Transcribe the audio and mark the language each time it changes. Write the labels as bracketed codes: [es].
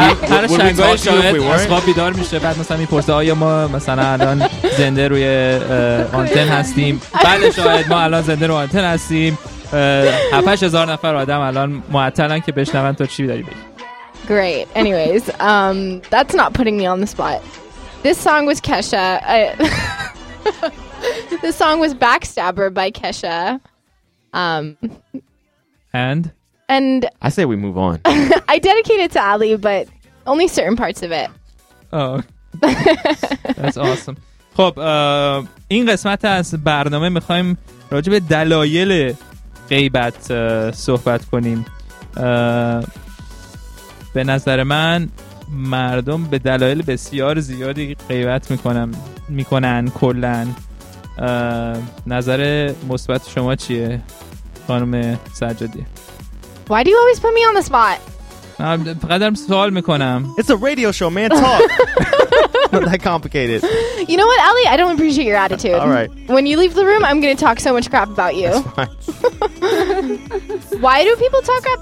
[fa] هر شنگاه شاید از خواب بیدار میشه بعد مثلا میپرسه آیا ما مثلا الان زنده روی آنتن هستیم. بله شاید ما الان زنده روی آنتن هستیم. 7-8000 نفر آدم الان معطلن که بشنون تو چی داری بگی. [en] Great. Anyways, that's not putting me on the spot. This song was Kesha. This song was Backstabber by Kesha. And I say we move on. I dedicate it to Ali, but only certain parts of it. Oh, that's awesome. [fa] خب این قسمت از برنامه میخوایم راجع به دلایل غیبت صحبت کنیم. به نظر من مردم به دلایل بسیار زیادی غیبت میکنن کلن. نظر مثبت شما چیه خانم سجادی؟ [en] Why do you always put me on the spot? [fa] فقط دارم سوال میکنم. [en] It's a radio show, man, talk. Not that complicated. You know what, Ellie? I don't appreciate your attitude. All right. When you leave the room, I'm going to talk so much crap about you. That's fine. Why do people talk crap?